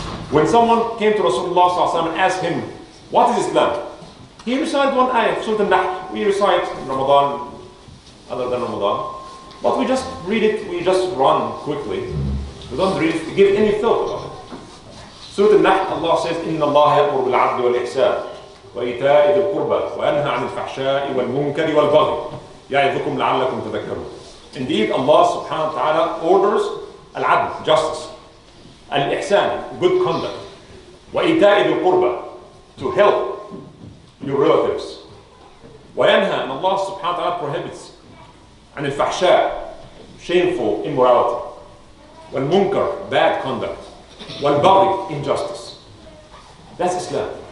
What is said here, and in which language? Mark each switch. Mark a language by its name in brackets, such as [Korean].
[English] When someone came to Rasulullah and asked him, what is Islam? He recited one ayah, Surah An-Nahl. We recite in Ramadan, other than Ramadan. But we just read it, we just run quickly. We don't read it to give any thought about it. [Arabic] Surah An-Nahl, [English] Allah says, [Arabic] إِنَّ اللَّهَ يَأْمُرُ بِالْعَدْلِ وَالْإِحْسَانِ وَإِيتَاءِ ذِي الْقُرْبَى وَيَنْهَى عَنِ الْفَحْشَاءِ وَالْمُنكَرِ وَالْبَغْيِ يَعِظُكُمْ لَعَلَّكُمْ تَذَكَّرُونَ. [English] Indeed, Allah subhanahu wa ta'ala orders al-adl, justice, al-ihsan, good conduct, [Arabic] وَإِيتَاءِ ذِي الْقُرْبَى, [English] to help your relatives. [Arabic] وَيَنْهَى, [English] and Allah subhanahu wa ta'ala prohibits, [Arabic] عَنِ الْفَحْشَاءِ, [English] shameful immorality, [Arabic] وَالْمُنكَرِ, [English] bad conduct, [Arabic] وَالْبَغْيِ, [English] injustice. That's Islam.